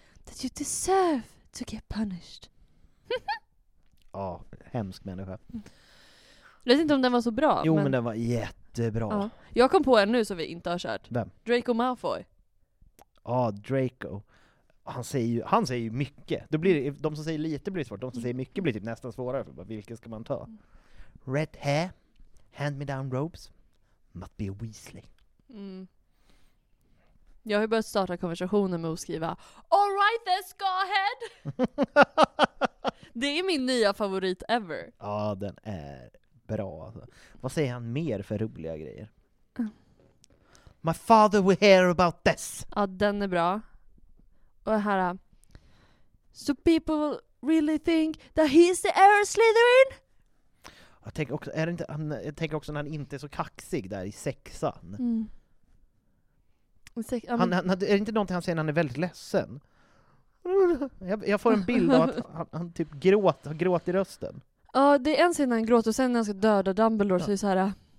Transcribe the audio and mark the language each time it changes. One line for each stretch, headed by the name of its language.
English: that you deserve to get punished.
Swedish: Ja, oh, hemsk människa. Jag vet inte om den var så bra. Jo, men den var jättebra. Ja. Jag kom på en nu som vi inte har kört. Vem? Draco Malfoy. Ja, oh, Draco. Han säger ju mycket. Då blir det, de som säger lite blir svårt. De som säger mycket blir typ nästan svårare. För vilken ska man ta?
English: Red hair, hand me down robes, must be a Weasley.
Swedish: Mm. Jag har ju börjat starta konversationen med att skriva
English: All right, let's go ahead!
Swedish: Det är min nya favorit ever. Ja, den är bra. Vad säger han mer för roliga grejer?
English: My father will hear about this.
Swedish: Ja, den är bra. Och här,
English: so people really think that he's the heir of Slytherin?
Swedish: Jag tänker också, är det inte, jag tänker också när han inte är så kaxig där i sexan. Mm. Han, är det inte någonting han säger när han är väldigt ledsen? Jag får en bild av att han typ gråter i rösten. Ja, det är en scen när han gråter och sen när han ska döda Dumbledore, ja. Så är det så här,